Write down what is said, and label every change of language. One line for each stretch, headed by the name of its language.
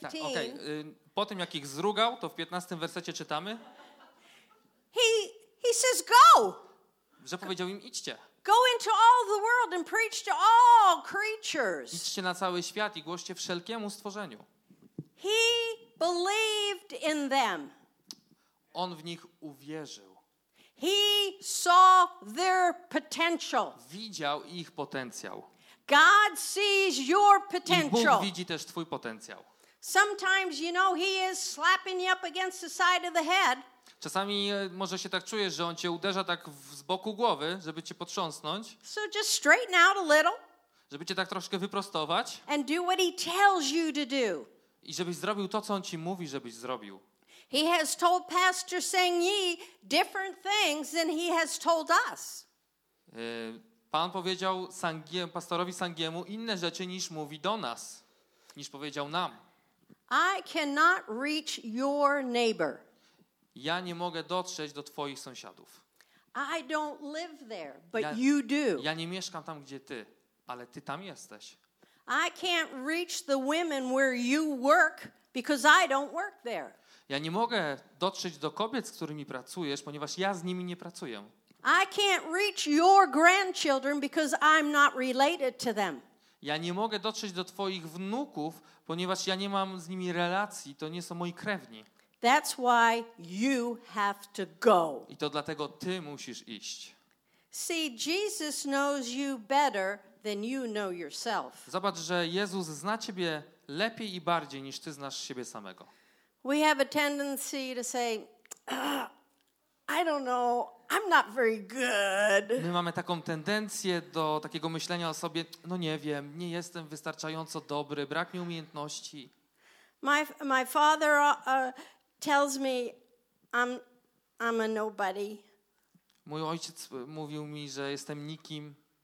Polish: tak, okay. Po tym jak ich zrugał, to w 15 wersecie czytamy,
English: He says, go.
Polish: Że powiedział im, idźcie.
English: Go into all the world and preach to all creatures.
Polish: Idźcie na cały świat i głoście wszelkiemu stworzeniu.
English: He believed in them.
Polish: On w nich uwierzył.
English: He saw their potential.
Polish: Widział ich potencjał.
English: God sees your potential.
Polish: I Bóg widzi też twój potencjał.
English: Sometimes, you know, he is slapping you up against the side of the head.
Polish: Czasami może się tak czujesz, że on cię uderza tak z boku głowy, żeby cię potrząsnąć.
English: So just straighten out a little.
Polish: Żeby cię tak troszkę wyprostować.
English: And do what he tells you to do.
Polish: I żebyś zrobił to, co on ci mówi, żebyś zrobił.
English: He has told Pastor Seng Yi different things than he has told us.
Polish: Pan powiedział pastorowi Sangiemu inne rzeczy niż mówi do nas, niż powiedział nam.
English: I cannot reach your neighbor.
Polish: Ja nie mogę dotrzeć do twoich sąsiadów.
English: I don't live there, but you do.
Polish: Ja nie mieszkam tam, gdzie ty, ale ty tam jesteś.
English: I can't reach the women where you work because I don't work there.
Polish: Ja nie mogę dotrzeć do kobiet, z którymi pracujesz, ponieważ ja z nimi nie pracuję.
English: I can't reach your grandchildren because I'm not related to them.
Polish: Ja nie mogę dotrzeć do twoich wnuków, ponieważ ja nie mam z nimi relacji, to nie są moi krewni.
English: That's why you have to go.
Polish: I to dlatego ty musisz iść.
English: See, Jesus knows you better than you know yourself.
Polish: Zobacz, że Jezus zna ciebie lepiej i bardziej niż ty znasz siebie samego.
English: We have a tendency to say, I don't know, I'm not very good.
Polish: My mamy taką tendencję do takiego myślenia o sobie, no nie wiem, nie jestem wystarczająco dobry, brak mi umiejętności.
English: My father tells me I'm a nobody.
Polish: Mój ojciec mówił mi, że jestem nikim.